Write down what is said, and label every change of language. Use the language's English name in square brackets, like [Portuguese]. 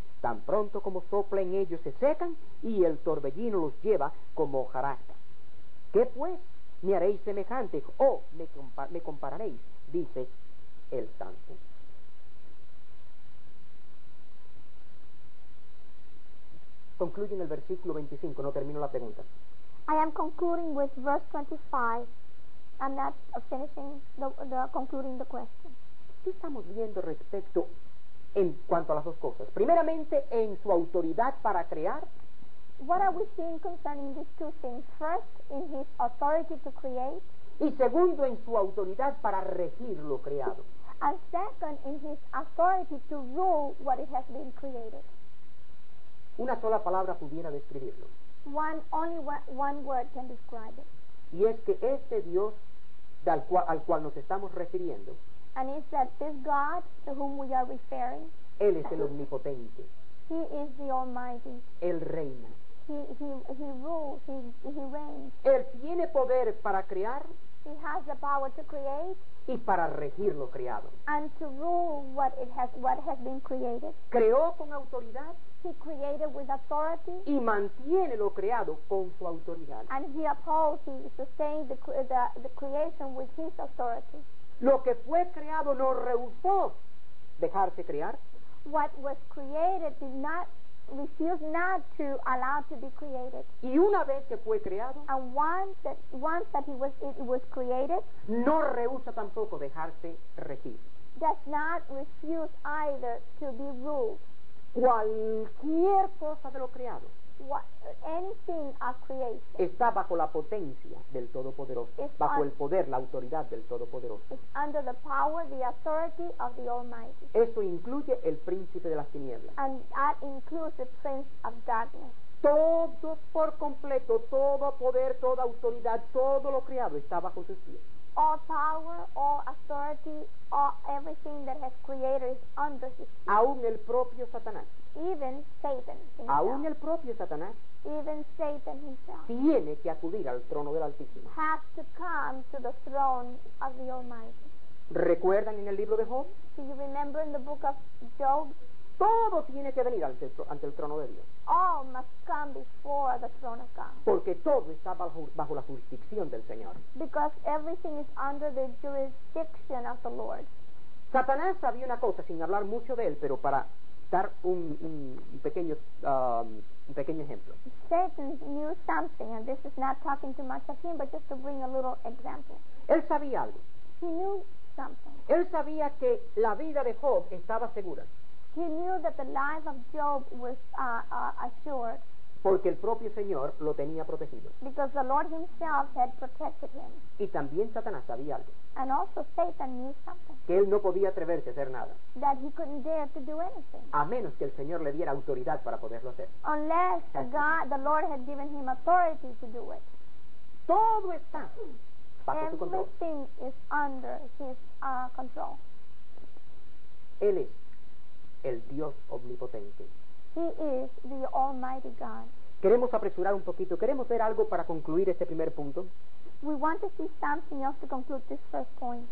[Spanish] Tan pronto como soplen, ellos se secan y el torbellino los lleva como hojarasca. ¿Qué pues me haréis semejante o me compararéis? Dice el Santo. Concluye en el versículo 25, no termino la pregunta. [English] I am concluding with verse 25. I'm not finishing the concluding the question. [Spanish] ¿Qué estamos viendo respecto en cuanto a las dos cosas? Primeramente, en su autoridad para crear. [English] What are we seeing concerning these two things? First, in his authority to create. [Spanish] Y segundo, en su autoridad para regir lo creado. [English] And second, in his authority to rule what it has been created. [Spanish] Una sola palabra pudiera describirlo. [English] One word can describe it. [Spanish] Y es que este Dios al cual nos estamos refiriendo, [English] and is that this God to whom we are referring, [Spanish] Él es el Omnipotente. [English] He is the Almighty. [Spanish] Él reina. [English] He rules. He reigns. [Spanish] Él tiene poder para crear. [English] He has the power to create. [Spanish] Y para regir lo creado. [English] And to rule what has been created. [Spanish] Creó con autoridad. [English] he created with authority. [Spanish] Y mantiene lo creado con su autoridad. [English] And he upholds, he sustains the creation with his authority. [Spanish] Lo que fue creado no rehusó dejarse crear. [English] What was created did not refuse not to allow to be created. [Spanish] Y una vez que fue creado, [English] and once that it was created, [Spanish] no rehúsa tampoco dejarse regir. [English] Does not refuse either to be ruled. [Spanish] Cualquier cosa de lo creado, [English] anything of creation, [Spanish] está bajo la potencia del Todopoderoso, bajo el poder, la autoridad del Todopoderoso. [English] It's under the power, the authority of the Almighty. [Spanish] Eso incluye el príncipe de las tinieblas. [English] And that includes the prince of darkness. [Spanish] Todo por completo, todo poder, toda autoridad, todo lo creado está bajo sus pies. [English] All power, all authority, all everything that has created is under his feet. [Spanish] Aún el propio Satanás. [English] Even Satan himself. [Spanish] Aún el propio Satanás. [English] Even Satan himself. [Spanish] Tiene que acudir al trono del Altísimo. [English] Has to come to the throne of the Almighty. [Spanish] ¿Recuerdan en el libro de Job? [English] Do you remember in the book of Job? [Spanish] Todo tiene que venir ante el trono de Dios. [English] All must come before the throne of God. [Spanish] Porque todo está bajo la jurisdicción del Señor. [English] Because everything is under the jurisdiction of the Lord. [Spanish] Satanás sabía una cosa, sin hablar mucho de él, pero para dar un pequeño ejemplo. [English] Satan knew something, and this is not talking too much of him, but just to bring a little example. [Spanish] Él sabía algo. [English] He knew something. [Spanish] Él sabía que la vida de Job estaba segura. [English] He knew that the life of Job was assured. [Spanish] Porque el propio Señor lo tenía protegido. [English] Because the Lord himself had protected him. [Spanish] Y también Satanás sabía algo. [English] And also Satan knew something. [Spanish] Que él no podía atreverse a hacer nada. [English] That he couldn't dare to do anything. [Spanish] A menos que el Señor le diera autoridad para poderlo hacer. [English] Unless God, the Lord had given him authority to do it. [Spanish] Todo está bajo su control. [English] Everything is under his control. [Spanish] Él es el Dios omnipotente. [English] He is the Almighty God. [Spanish] Queremos apresurar un poquito. Queremos ver algo para concluir este primer punto. [English] We want to see something else to conclude this first point.